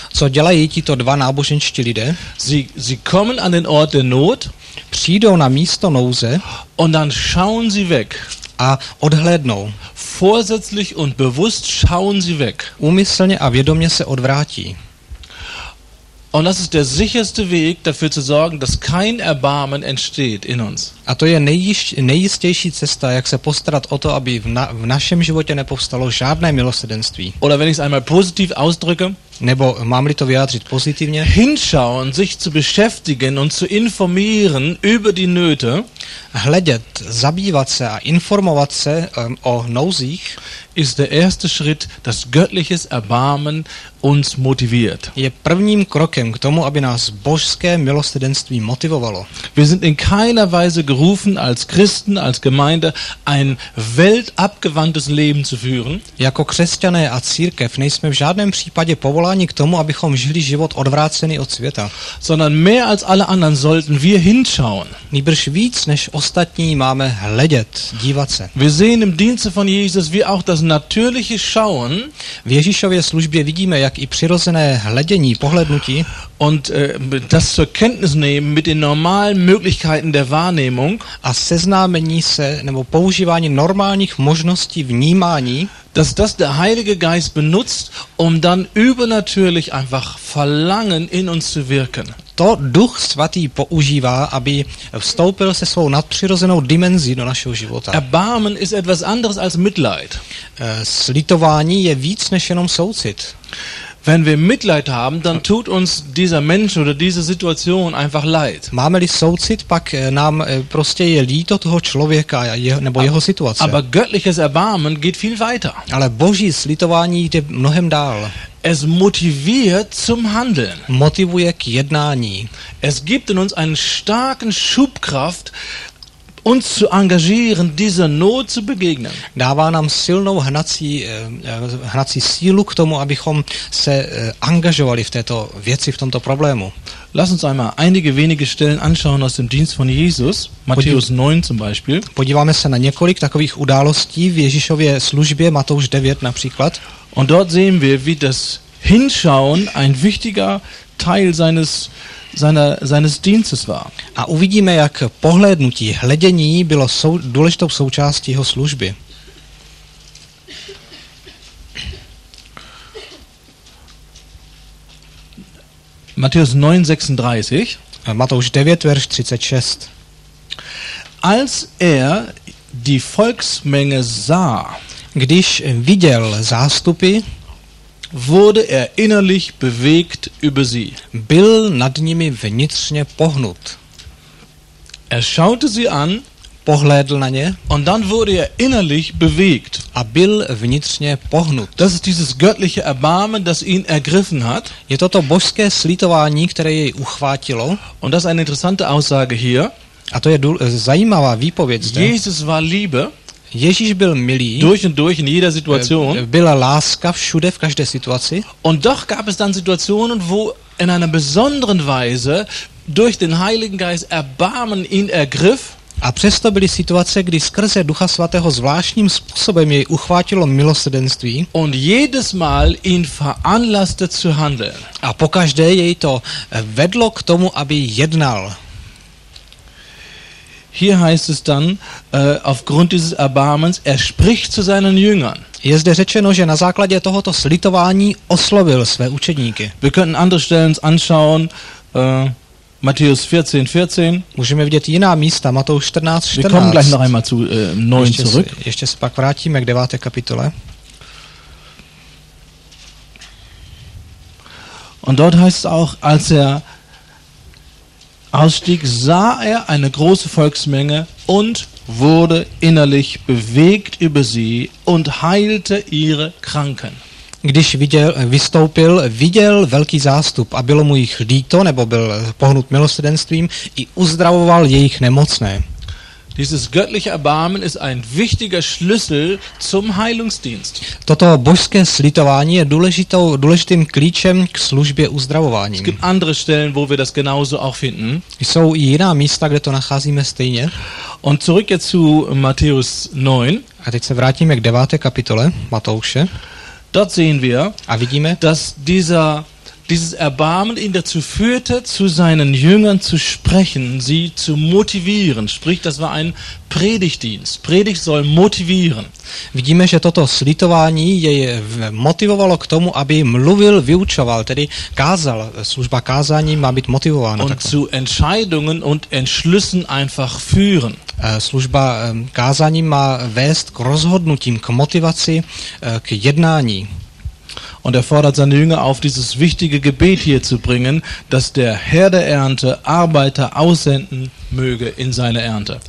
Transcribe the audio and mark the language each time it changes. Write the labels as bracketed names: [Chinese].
[Czech] Co dělají tito dva náboženští lidé? [German] Sie kommen an den Ort der Not. [Czech] Přijdou na místo nouze. [German] Und dann schauen sie weg. [Czech] A odhlédnou. [German] Vorsätzlich und bewusst schauen sie weg. [Czech] Úmyslně a vědomě se odvrátí. [German] Und das ist der sicherste Weg, dafür zu sorgen, dass kein Erbarmen entsteht in uns. [Czech] A to je nejistější cesta, jak se postarat o to, aby v našem životě nepovstalo žádné milosrdenství. [German] Oder wenn ich es einmal positiv ausdrücke, [Czech] nebo mám-li to vyjádřit pozitivně, [German] hinschauen, sich zu beschäftigen und zu informieren über die Nöte, [Czech] hledět, zabývat se a informovat se o nouzích, [German] ist der erste Schritt, dass göttliches Erbarmen uns motiviert. [Czech] Je prvním krokem k tomu, aby nás božské milosrdenství motivovalo. [German] Wir sind in keiner Weise gerufen, als Christen, als Gemeinde, ein weltabgewandtes Leben zu führen. [Czech] Jako křesťané a církev nejsme v žádném případě povoláni k tomu, abychom žili život odvrácený od světa. [German] Sondern mehr als alle anderen sollten wir hinschauen. [Czech] Nýbrž víc než ostatní máme hledět, dívat se. [German] Wir sehen im Dienste von Jesus, wie auch das natürliche Schauen. [Czech] V Ježíšově službě vidíme, jak i přirozené hledění, pohlednutí. [German] Und das zur Kenntnis nehmen mit den normalen Möglichkeiten der Wahrnehmung. [Czech] A seznámení se nebo používání normálních možností vnímání. [German] Dass das der Heilige Geist benutzt, um dann übernatürlich einfach Verlangen in uns zu wirken. [Czech] To Duch Svatý používá, aby vstoupil se svou nadpřirozenou dimenzí do našeho života. [German] Erbarmen ist etwas anderes als Mitleid. [Czech] Slitování je víc než jenom soucit. [German] Wenn wir Mitleid haben, dann tut uns dieser Mensch oder diese Situation einfach leid. [Czech] Máme-li soucit, pak nám prostě je líto toho člověka nebo jeho situace. [German] Aber göttliches Erbarmen geht viel weiter. [Czech] Ale boží slitování jde mnohem dál. [German] Es motiviert zum Handeln. [Czech] Motivuje k jednání. [German] Es gibt in uns einen starken Schubkraft, uns zu engagieren, dieser Not zu begegnen. [Czech] Dává nám silnou hnací sílu k tomu, abychom se angažovali v této věci, v tomto problému. [German] Lass uns einmal einige wenige Stellen anschauen aus dem Dienst von Jesus. Matthäus 9 zum Beispiel. [Czech] Podíváme se na několik takových událostí v Ježíšově službě, Matouš 9 například. [German] Und dort sehen wir, wie das Hinschauen ein wichtiger Teil seines Dienstes war. [Czech] A uvidíme, jak pohlédnutí, hledění bylo důležitou součástí jeho služby. [German] Matthäus 9:36. [Czech] Matouš 9, verš 36. [German] Als er die Volksmenge sah, [Czech] když viděl zástupy, [German] wurde er innerlich bewegt über sie. [Czech] Byl nad nimi vnitřně pohnut. [German] Er schaute sie an, [Czech] pohlédl na ně, [German] und dann wurde er innerlich bewegt. [Czech] A byl vnitřně pohnut. [German] Das ist dieses göttliche Erbarmen, das ihn ergriffen hat. [Czech] Je to božské slitování, které jej uchvátilo. [German] Und das ist eine interessante Aussage hier. [Czech] A to je zajímavá výpověď. [German] Jesus war Liebe. [Czech] Ježíš byl milý. [German] Durch und durch in jeder Situation. [Czech] Byla láska všude, v každé situaci. [German] Und doch gab es dann Situationen, wo in einer besonderen Weise durch den Heiligen Geist Erbarmen ihn ergriff. [Czech] A přesto byly situace, kdy skrze Ducha Svatého zvláštním způsobem jej uchvátilo milosrdenství. [German] Und jedes Mal ihn veranlasste zu handeln. [Czech] A pokaždé jej to vedlo k tomu, aby jednal. [German] Hier heißt es dann, aufgrund dieses Erbarmens, er spricht zu seinen Jüngern. [Czech] Je zde řečeno, že na základě tohoto slitování oslovil své učedníky. [German] Wir können andere Stellen anschauen, Matthäus 14:14. [Czech] Můžeme vidět jiná místa, Matouš 14:14. [German] Wir kommen gleich noch einmal zu 9 zurück. [Czech] Ještě se pak vrátíme k 9. kapitole. [German] Und dort heißt es auch, als er ausstieg, sah er eine große Volksmenge und wurde innerlich bewegt über sie und heilte ihre Kranken. [Czech] Když viděl velký zástup a bylo mu jich líto, nebo byl pohnut milosrdenstvím, i uzdravoval jejich nemocné. [German] Dieses göttliche Erbarmen ist ein wichtiger Schlüssel zum Heilungsdienst. [Czech] Toto božské slitování je důležitým klíčem k službě uzdravování. [German] Es gibt andere Stellen, wo wir das genauso auch finden. [Czech] Jsou i jiná místa, kde to nacházíme stejně. [German] Und zurück jetzt zu Matthäus 9. [Czech] A teď se vrátíme k 9. kapitole Matouše. [German] Dort sehen wir, [Czech] a vidíme, [German] dass dieses Erbarmen ihn dazu führte, zu seinen Jüngern zu sprechen, sie zu motivieren. Sprich, das war ein Predigtdienst. Predigt soll motivieren. [Czech] Vidíme, že toto slitování jej motivovalo k tomu, aby mluvil, vyučoval, tedy kázal. Služba kázání má být motivována. [German] Und zu Entscheidungen und Entschlüssen einfach führen. [Czech] Služba kázání má vést k rozhodnutím, k motivaci, k jednání. [German] Und er fordert seine Jünger auf, dieses wichtige Gebet hier zu bringen, dass der Herr der Ernte Arbeiter aussenden möge in seine Ernte.